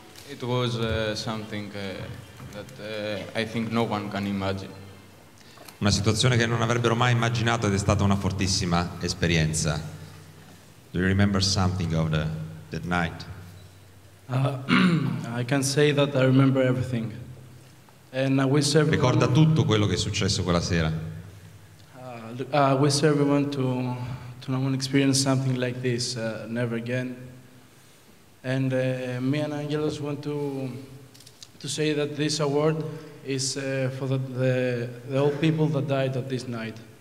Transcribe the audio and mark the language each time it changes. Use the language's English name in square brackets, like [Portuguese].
[English] It was something that I think no one can imagine. [Italian] Una situazione che non avrebbero mai immaginato ed è stata una fortissima esperienza. [English] Do you remember something of that night? I can say that I remember everything. And we serve. [Italian] Ricorda tutto quello che è successo quella sera. [English] We serve everyone to not experience something like this never again. And me and Angelos want to say that this award is for the old people that died at this night.